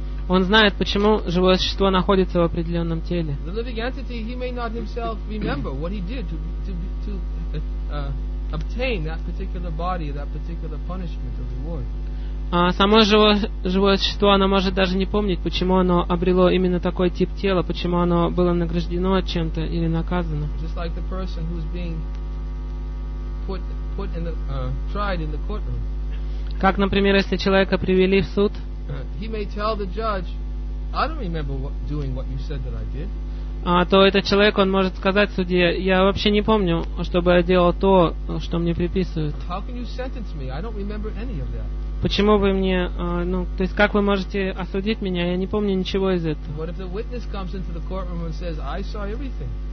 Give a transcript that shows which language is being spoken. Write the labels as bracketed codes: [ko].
[ru] Он знает, почему живое существо находится в определенном теле. [en] The living entity, he may not himself remember what he did to obtain that particular body, that particular punishment or reward. [ru] Само живое существо, оно может даже не помнить, почему оно обрело именно такой тип тела, почему оно было награждено чем-то или наказано. [en] Just like the person who's being put in the tried in the courtroom. [ru] Как, например, если человека привели в суд, то этот человек, он может сказать судье, я вообще не помню, чтобы я делал то, что мне приписывают. [en] How can you sentence me? I don't remember any of that. [ru] Почему вы мне, ну, то есть как вы можете осудить меня, я не помню ничего из этого. [en] What if the witness comes into the courtroom and says, I saw everything?